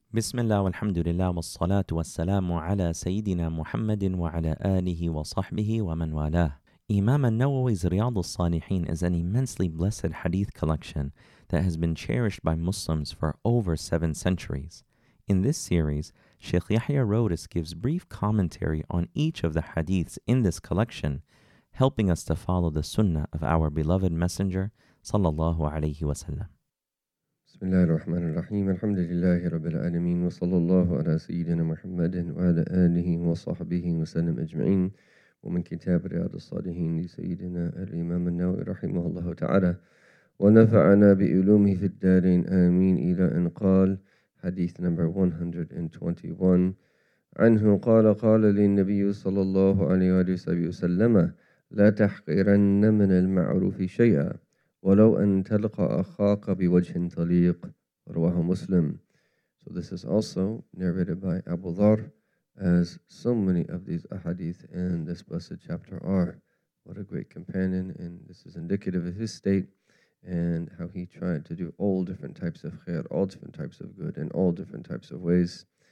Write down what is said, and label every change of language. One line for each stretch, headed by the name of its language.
Arabic: بسم الله والحمد لله والصلاة والسلام على سيدنا محمد وعلى آله وصحبه ومن والاه.
English: Imam An-Nawawi's Riyad al-Salihin is an immensely blessed hadith collection that has been cherished by Muslims for over 7 centuries. In this series, Sheikh Yahya Rodas gives brief commentary on each of the hadiths in this collection, helping us to follow the sunnah of our beloved messenger, sallallahu alayhi wa sallam.
Arabic: بسم الله الرحمن الرحيم الحمد لله رب العالمين وصلى الله على سيدنا محمد وعلى آله وصحبه وسلم أجمعين ومن كتاب رياض الصالحين لسيدنا الإمام النووي رحمه الله تعالى ونفعنا بعلومه في الدارين آمين إلى أن قال حديث نمبر 121 عنه قال قال للنبي صلى الله عليه وسلم لا تحقرن من المعروف شيئا وَلَوْ أَن تَلْقَ أَخَاكَ بِوَجْهٍ طَلِيقٍ رَوَاهُ مُسْلِمٍ.
English: So this is also narrated by Abu Dharr, as so many of these ahadith in this blessed chapter are. What a great companion, and this is indicative of his state and how he tried to do all different types of khair, all different types of good, and all different types of ways.